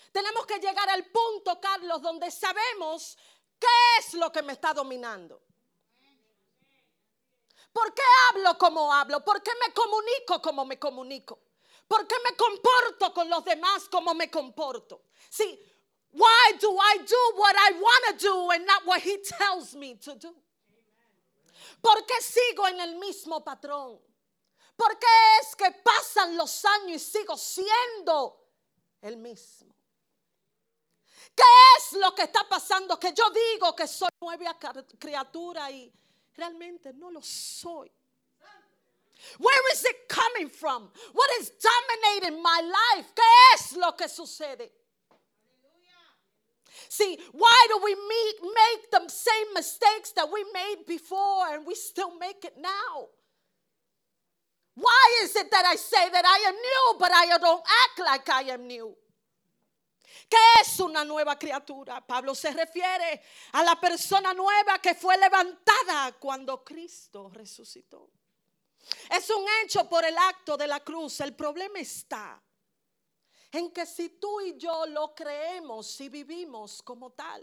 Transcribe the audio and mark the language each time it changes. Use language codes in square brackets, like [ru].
[es] Tenemos que llegar al punto, Carlos, donde sabemos qué es lo que me está dominando. ¿Por qué hablo como hablo? ¿Por qué me comunico como me comunico? ¿Por qué me comporto con los demás como me comporto? [en] Sí, why do I do what I want to do and not what he tells me to do? [es] ¿Por qué sigo en el mismo patrón? ¿Por qué es que pasan los años y sigo siendo el mismo? ¿Qué es lo que está pasando? Que yo digo que soy nueva criatura y realmente no lo soy. [en] Where is it coming from? What is dominating my life? [es] ¿Qué es lo que sucede? [en] See, why do we make the same mistakes that we made before and we still make it now? Why is it that I say that I am new, but I don't act like I am new? [es] ¿Qué es una nueva criatura? Pablo se refiere a la persona nueva que fue levantada cuando Cristo resucitó. Es un hecho por el acto de la cruz. El problema está en que si tú y yo lo creemos y vivimos como tal.